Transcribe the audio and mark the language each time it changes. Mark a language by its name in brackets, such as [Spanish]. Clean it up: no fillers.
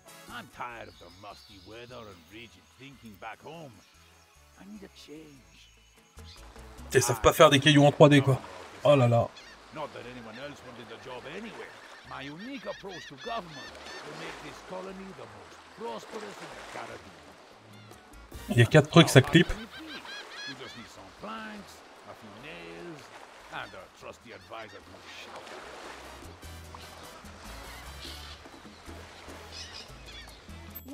[English] I'm tired of the musty weather and rigid thinking back home. I need a change. [French] Ils savent pas faire des cailloux en 3D quoi. Oh là là. [English] Not that anyone else wanted the job anyway. My unique approach to government to make this colony the most prosperous in the Caribbean. [French] Il y a 4 trucs, ça clip. [English] You just need some planks, a few nails, and a trusty advisor to shout.